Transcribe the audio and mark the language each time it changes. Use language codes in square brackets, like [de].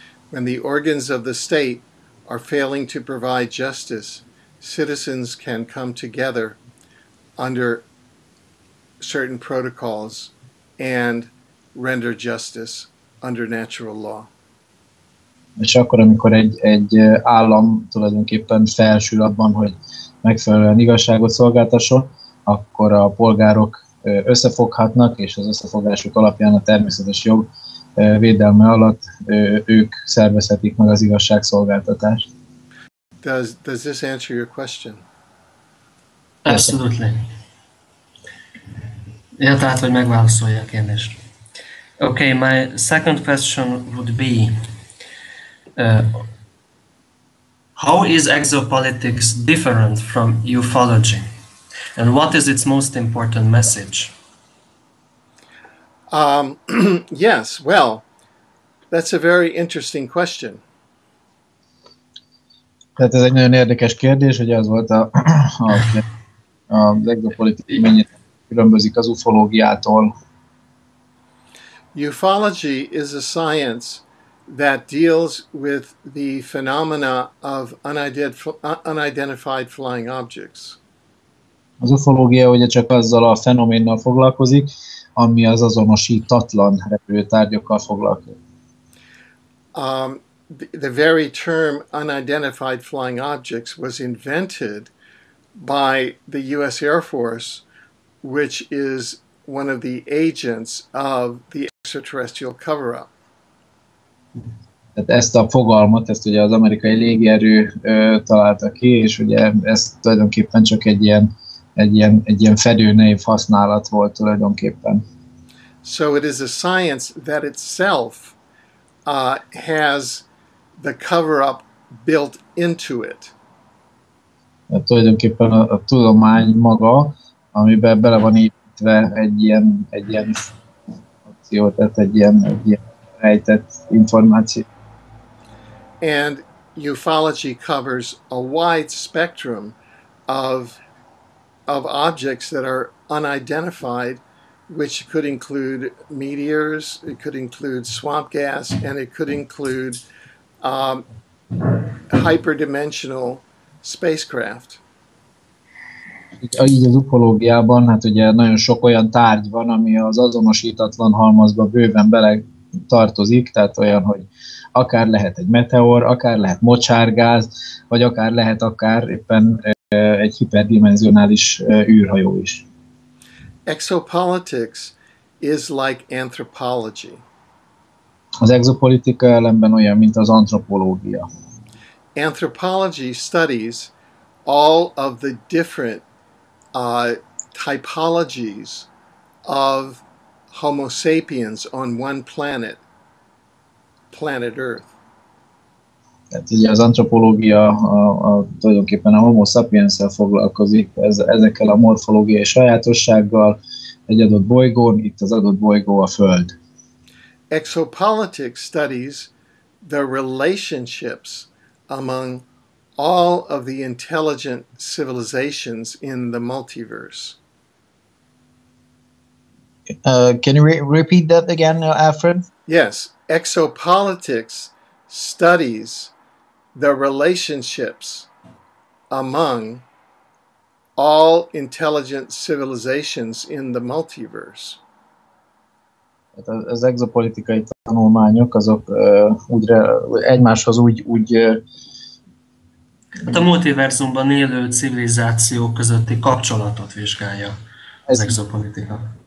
[en] When the organs of the state are failing to provide justice, citizens can come together under certain protocols and render justice under natural law. [hu] És akkor, amikor egy állam tulajdonképpen felsül abban, hogy megfelelően igazságot szolgáltasson, akkor a polgárok összefoghatnak, és az összefogásuk alapján a természetes jog védelme alatt ők szervezhetik meg az igazságszolgáltatást. [en] Does this answer your question? Absolutely. [hu] Ja, tehát, hogy megválaszolja a kérdést. [en] Okay, my second question would be, how is exopolitics different from ufology? And what is its most important message? Yes, well, that's a very interesting question. [hu] Tehát ez egy nagyon érdekes kérdés, hogy az volt az exopolitikai mennyire különbözik az ufológiától. [en] Ufology is a science that deals with the phenomena of unidentified flying objects. [hu] Az ufológia ugye csak azzal a fenoménnal foglalkozik, ami az azonosítatlan repülőtárgyakkal foglalkozik. [en] The very term unidentified flying objects was invented by the U.S. Air Force, which is one of the agents of the extraterrestrial cover-up. [hu] Tehát ezt a fogalmat, ezt ugye az amerikai légierő találta ki, és ugye ez tulajdonképpen csak egy ilyen fedőnév használat volt tulajdonképpen. [en] So it is a science that itself has the cover-up built into it. [hu] Tulajdonképpen a tudomány maga, amiben bele van építve egy ilyen információ, tehát egy ilyen rejtett információ. [en] And ufology covers a wide spectrum of objects that are unidentified, which could include meteors, it could include swamp gas, and it could include hyperdimensional spacecraft. [hu] Így az ufológiában, hát ugye nagyon sok olyan tárgy van, ami az azonosítatlan halmazba bőven bele tartozik, tehát olyan, hogy akár lehet egy meteor, akár lehet mocsárgáz, vagy akár lehet akár éppen egy hiperdimenzionális űrhajó is. [en] Exopolitics is like anthropology. [hu] Az exopolitika ellenben olyan, mint az antropológia. [en] Anthropology studies all of the different typologies of Homo sapiens on one planet, planet Earth. [hu] Tehát ugye az antropológia tulajdonképpen a Homo sapiens-szel foglalkozik, ezekkel a morfológiai sajátossággal egy adott bolygón, itt az adott bolygó a Föld. [en] Exopolitics studies the relationships among all of the intelligent civilizations in the multiverse. Can you repeat that again, Alfred? Yes, exopolitics studies the relationships among all intelligent civilizations in the multiverse. [hu] Az exopolitikai tanulmányok azok egymáshoz a multiverzumban élő civilizáció közötti kapcsolatot vizsgálja az exopolitika.